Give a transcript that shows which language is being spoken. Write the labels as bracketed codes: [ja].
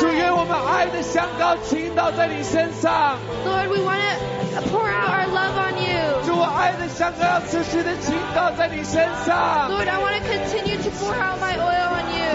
[zh] 主，愿我们爱的香膏倾倒在你身上。 [en] Lord, we want to pour out our love on you. [zh] 主，我爱的香膏要持续的倾倒在你身上。 [en] Lord, I want to continue to pour out my oil on you.